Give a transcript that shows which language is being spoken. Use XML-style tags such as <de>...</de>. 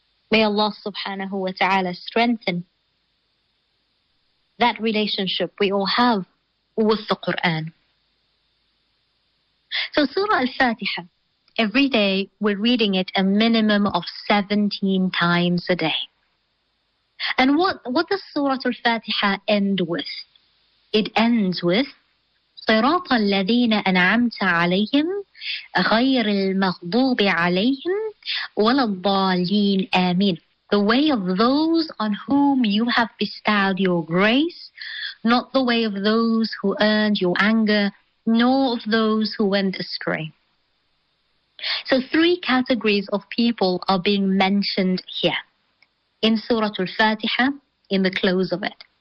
<en>May Allah subhanahu wa ta'ala strengthen that relationship we all have with the Quran. So Surah Al-Fatiha, every day, we're reading it a minimum of 17 times a day. And what does Surah Al-Fatiha end with? It ends with</en> <ar>صراط الذين أنعمت عليهم غير المغضوب عليهم ولا الضالين آمين.</ar> <en>The way of those on whom you have bestowed your grace, not the way of those who earned your anger, nor of those who went astray. So three categories of people are being mentioned here in Surah Al-Fatiha, in the close of it.</en>